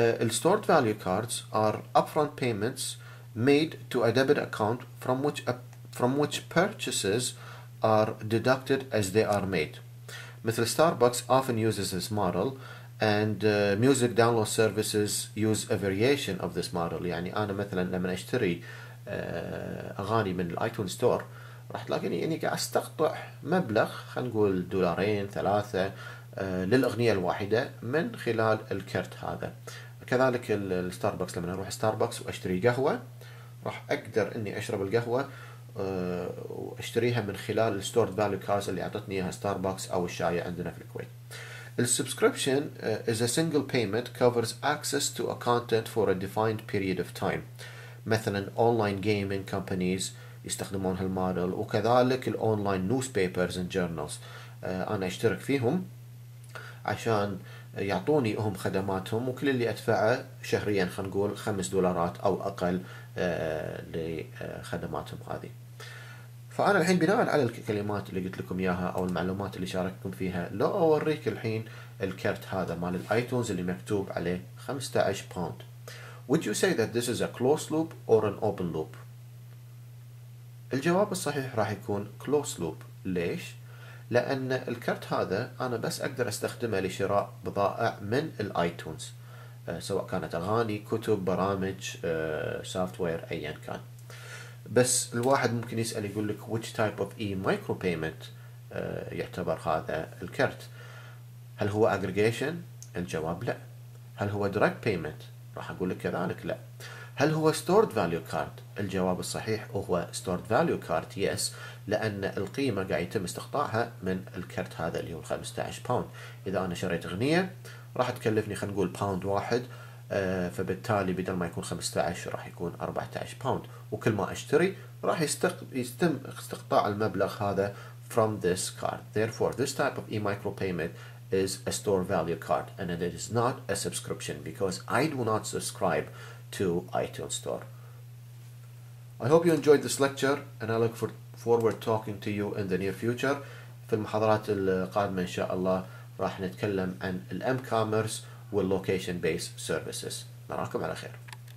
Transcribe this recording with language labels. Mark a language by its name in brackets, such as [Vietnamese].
[English] Stored value cards are upfront payments made to a debit account from which purchases are deducted as they are made. مثل Starbucks often uses this model and music download services use a variation of this model. [Arabic] يعني أنا مثلا لما أشتري أغاني من الآيتون ستور راح تلاقيني إني قاعد أستقطع مبلغ خلينا نقول دولارين ثلاثة للأغنية الواحدة من خلال الكرت هذا. كذلك الستاربكس لما أروح ستاربكس وأشتري قهوة راح أقدر إني أشرب القهوة وأشتريها من خلال الستور فاليو كارز اللي أعطتني إياها ستاربكس أو الشاي عندنا في الكويت. [English] السبسكريبشن is a single payment covers access to a content for a defined period of time. [Arabic] مثلا اونلاين جيمنج كومبانيز يستخدمون هالموديل وكذلك الاونلاين نيوز بيبرز اند جورنلز انا اشترك فيهم عشان يعطوني هم خدماتهم وكل اللي ادفعه شهريا خلينا نقول 5 دولارات او اقل لخدماتهم هذه. فانا الحين بناء على الكلمات اللي قلت لكم اياها او المعلومات اللي شارككم فيها لو اوريك الحين الكرت هذا مال الايتونز اللي مكتوب عليه 15 باوند. [English] Would you say that this is a closed loop or an open loop? [Arabic] الجواب الصحيح راح يكون closed loop. ليش؟ لأن الكرت هذا أنا بس أقدر أستخدمه لشراء بضائع من الآيتونز سواء كانت أغاني، كتب، برامج، software، أيا كان. بس الواحد ممكن يسأل يقول لك [English] which type of e-micropayment [Arabic] يعتبر هذا الكرت؟ هل هو aggregation؟ الجواب لا. هل هو direct payment؟ راح أقول لك كذلك لا. هل هو stored value card؟ الجواب الصحيح هو stored value card yes، لأن القيمة قاعد يتم استقطاعها من الكرت هذا اللي هو 15 باوند. إذا أنا شريت غنية راح تكلفني خلينا نقول باوند واحد، فبالتالي بدل ما يكون 15 راح يكون 14 باوند، وكل ما أشتري راح يتم استقطاع المبلغ هذا [English] from this card. Therefore this type of e-micropayment is a store value card and it is not a subscription because I do not subscribe to iTunes Store. I hope you enjoyed this lecture and I look forward to talking to you in the near future. [Arabic] في المحاضرات القادمة إن شاء الله راح نتكلم عن الM-Commerce واللocation based services. نراكم على خير.